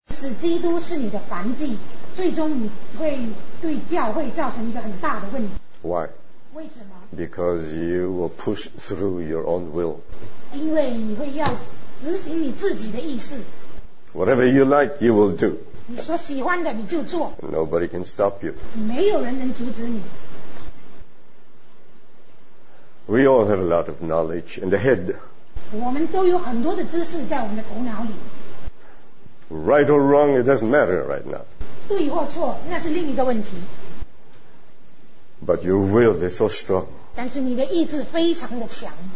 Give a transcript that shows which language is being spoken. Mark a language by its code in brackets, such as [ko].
[zh] 使基督是你的环境，最终你会对教会造成一个很大的问题。 [en] Why? [zh] 为什么？ [en] Because you will push through your own will. [zh] 因为你会要执行你自己的意思。 [en] Whatever you like, you will do. [zh] 你所喜欢的你就做。 [en] Nobody can stop you. [zh] 没有人能阻止你。 [en] We all have a lot of knowledge in the head. [zh] 我们都有很多的知识在我们的头脑里。 [en] Right or wrong, it doesn't matter right now. [zh] 对或错，那是另一个问题。 [en] But your will is so strong. [zh] 但是你的意志非常的强。